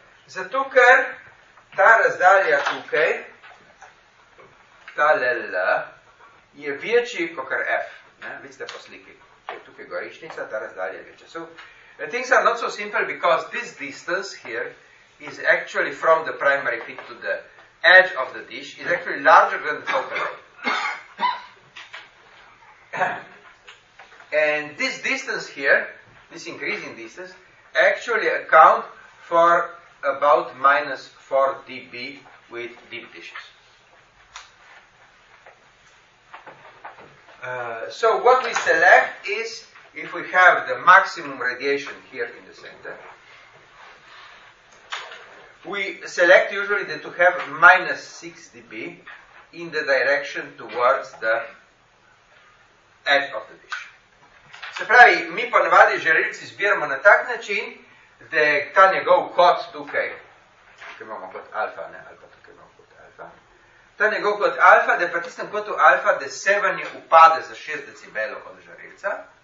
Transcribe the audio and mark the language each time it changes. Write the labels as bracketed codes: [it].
[sl] Zato, ker ta razdalja tukaj, tale L, je večji kot F. Ne? Vidite po sliki. Tukaj gorišnica, ta razdalja je večja. [en] So, things are not so simple, because this distance here is actually from the primary peak to the edge of the dish, is actually larger than the focal point. And this distance here, this increasing distance, actually account for about minus 4 dB with deep dishes. So what we select is, if we have the maximum radiation here in the center, we select usually to have minus 6 dB in the direction towards the edge of the dish. [sl] Se pravi, mi ponavadi žarilci zbiramo na tak način, da je ta njegov kot tukaj, tukaj imamo kot alfa, ne, alfa, tukaj imamo kot alfa, ta njegov kot alfa, da je pa tistem kotu alfa, da sevanje upade za 6 decibelov od žarilca.